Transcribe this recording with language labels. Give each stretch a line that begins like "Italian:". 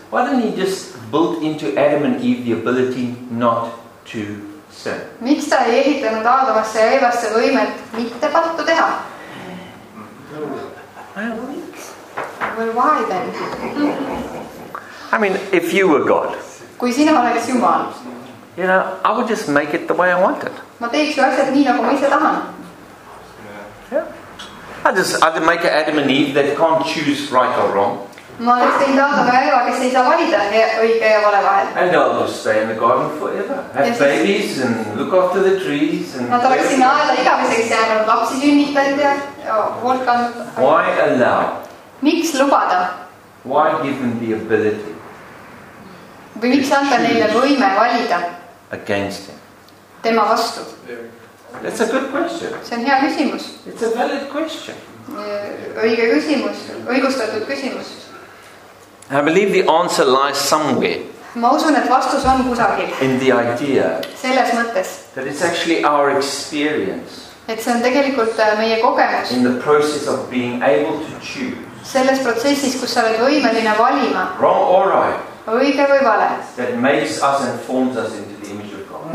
English: Why didn't he just build into Adam and Eve the ability not to sin?
Estonian: Miks ta ei ehitanud Aadamasse ja Eevasse võimet mitte pattu teha?
English: Well, why then? I mean, if you were God.
Estonian: Kui sina oleks Jumal.
English: You know, I would just make it the way I want it.
Estonian: Ma teeks ju asjad nii, nagu ma ise tahan.
English: Yeah. I just make Adam and Eve that can't choose right or wrong.
Estonian: Ma oleks teinud Aadama ja Eeva, kes ei saa valida õige ja vale vahel.
English: And they'll just stay in the garden forever. Have babies and look after the trees.
Estonian: Ma oleks sinna aela igaviseks jäänud lapsi sünnitanud ja hulkanud.
English: Why allow?
Estonian: Miks lubada?
English: Why give them the ability?
Estonian: Või miks anda neile võime valida?
English: Against him.
Estonian: Tema vastu.
English: That's a good question.
Estonian: See on hea küsimus.
English: It's a valid question.
Estonian: Õige küsimus. Õigustatud küsimus.
English: I believe the answer lies somewhere.
Estonian: Ma usun, et vastus on kusagil.
English: In the idea.
Estonian: Selles mõttes.
English: That it's actually our experience.
Estonian: Et see on tegelikult meie kogemus.
English: In the process of being able to choose.
Estonian: Selles protsessis, kus sa oled võimeline valima.
English: Wrong or right.
Estonian: Õige või vale.
English: That makes us and forms us into the image of God.